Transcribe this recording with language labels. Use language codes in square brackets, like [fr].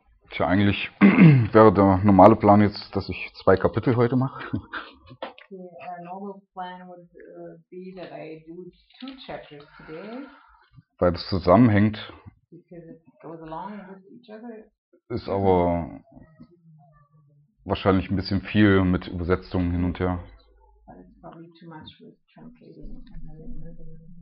[de] Tja, eigentlich wäre der normale Plan jetzt, dass ich zwei Kapitel heute mache. [en] Okay, normal plan would be that I do two chapters today. [de] Weil das zusammenhängt. [en] Because it goes along with each other. [de] Ist aber wahrscheinlich ein bisschen viel mit Übersetzungen hin und her. [en] But it's probably too much with translating.